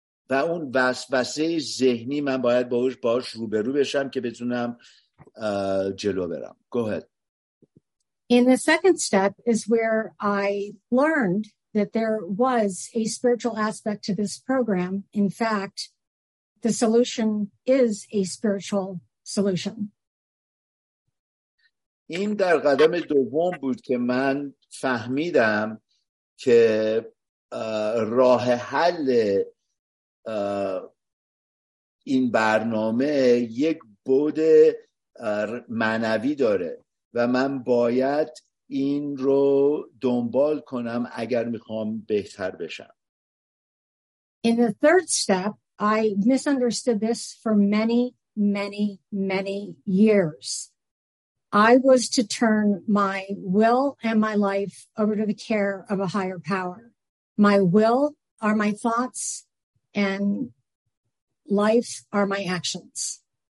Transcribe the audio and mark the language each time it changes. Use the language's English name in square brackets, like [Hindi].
[Persian] و اون وسوسه ذهنی من باید باهاش روبرو بشم که بتونم جلو برم. [English] Go ahead. In the second step is where I learned that there was a spiritual aspect to this program. In fact, the solution is a spiritual solution. [Persian] این در قدم دوم بود که من فهمیدم که راه حل این برنامه یک بُعد معنوی داره. و من باید این رو دنبال کنم اگر میخوام بهتر بشم. [English] In the third step, I misunderstood this for many, many, many years. I was to turn my will and my life over to the care of a higher power. My will are my thoughts and life are my actions.